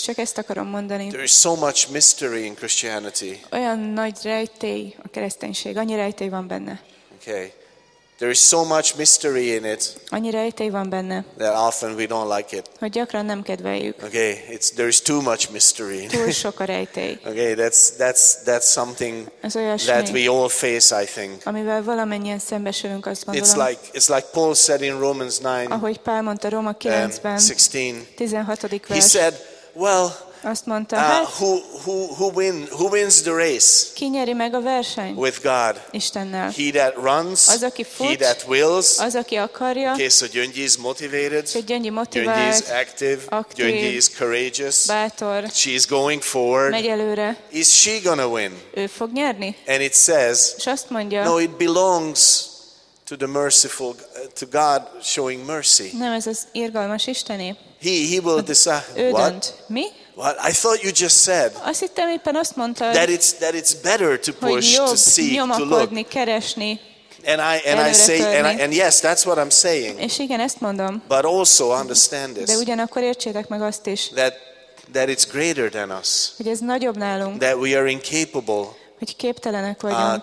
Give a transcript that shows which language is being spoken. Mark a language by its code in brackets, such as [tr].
[hu] Csak ezt akarom mondani. [en] There is so much mystery in Christianity. [hu] Olyan nagy rejtély a kereszténység, annyi rejtély van benne. [en] Okay. There is so much mystery in it. [hu] Annyi rejtély van benne. [en] That often we don't like it. [hu] Hogy gyakran nem kedveljük. [en] Okay, there is too much mystery. [hu] Túl sok a rejtély. [en] Okay, that's something that we all face, I think. [hu] Amivel valamennyien szembesülünk, azt gondolom. [en] It's like Paul said in Romans 9. [hu] Ahogy Pál mondta Róma 9-ben. 16. vers. [en] He said, well, [hu] azt mondta, [en] who wins the race? [hu] Ki nyeri meg a versenyt? [en] With God. [hu] Istennel. [en] He that runs. [hu] Az, aki fut. [en] He that wills. [hu] Az, aki akarja. [en] Okay, so Gyöngyi is motivated. [hu] Gyöngyi motivált. [en] Gyöngyi is active. [hu] Aktív. [en] Gyöngyi is courageous. [hu] Bátor. [en] She's going forward. [hu] Megy előre. [en] Is she gonna win? [hu] Ő fog nyerni. [en] And it says. [hu] És azt mondja. [en] No, it belongs to the merciful, to God showing mercy. [hu] Nem, ez az irgalmas Istené. He will decide. Ő dönt. Mi? [en] Well, I thought you just said that it's better to push, [hu] jobb, [en] to seek, to look. [hu] Keresni, [en] and I say, and yes, that's what I'm saying. [hu] És igen, ezt mondom. [en] But also understand this. [hu] De ugyanakkor értsétek meg azt is. [en] That it's greater than us. [hu] Hogy ez nagyobb nálunk. [en] That we are incapable. [hu] Hogy képtelenek vagyunk.